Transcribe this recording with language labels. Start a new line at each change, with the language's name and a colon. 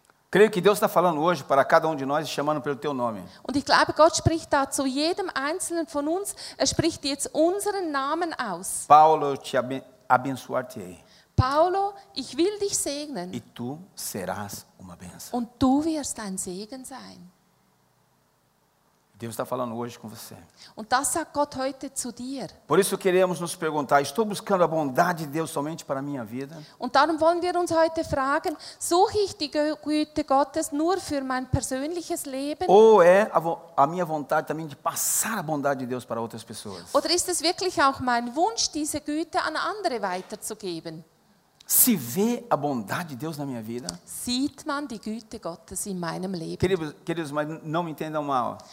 Portuguese: Creio que Deus está falando hoje para cada de nós e chamando pelo teu nome.
German: Und ich glaube, Gott spricht da zu jedem einzelnen von uns. Er spricht jetzt unseren Namen aus.
Portuguese: Paulo, te abençoar-te-ei.
German: Paulo, ich will dich segnen.
Portuguese: E tu serás uma bênção.
German: Und du wirst ein Segen sein.
Portuguese: Deus está falando hoje com você.
German: Und das sagt Gott heute zu dir.
Portuguese: Por isso queremos nos perguntar, estou buscando a bondade de Deus somente para a minha vida?
German: Und darum wollen wir uns heute fragen, suche ich die Güte Gottes nur für mein persönliches Leben?
Portuguese: Ou é a minha vontade também de passar a bondade de Deus para outras pessoas?
German: Oder ist es wirklich auch mein Wunsch, diese Güte an andere weiterzugeben?
Portuguese: Se vê a bondade de Deus na minha vida?
German: Sieht man die Güte Gottes in meinem Leben?
Portuguese: Queridos, mas não me entendam mal.